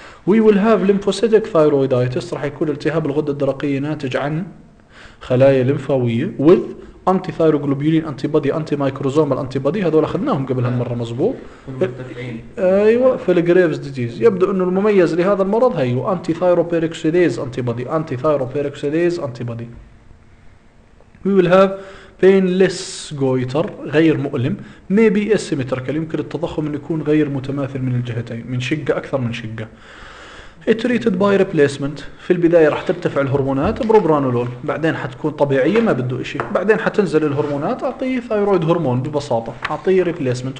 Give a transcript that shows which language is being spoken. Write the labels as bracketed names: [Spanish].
[English] we will have lymphocytic thyroiditis، [Arabic] راح يكون التهاب الغدة الدرقية ناتج عن خلايا لمفاوية. [English] with anti-thyroglobulin antibody، anti-microsomal antibody، [Arabic] هذول أخذناهم قبل هالمرة مزبوط. أيوة في Graves disease. يبدو أنه المميز لهذا المرض هي anti-thyroperoxidase antibody، anti-thyroperoxidase antibody. [English] we will have painless goiter، [Arabic] غير مؤلم. [English] maybe asymmetrical، [Arabic] يمكن التضخم أن يكون غير متماثل من الجهتين، من شقة أكثر من شقة. [English] it treated by replacement، [Arabic] في البداية راح ترتفع الهرمونات بروبرانولول، بعدين حتكون طبيعية ما بده إشي، بعدين حتنزل الهرمونات، أعطيه ثايرويد هرمون ببساطة، أعطيه replacement.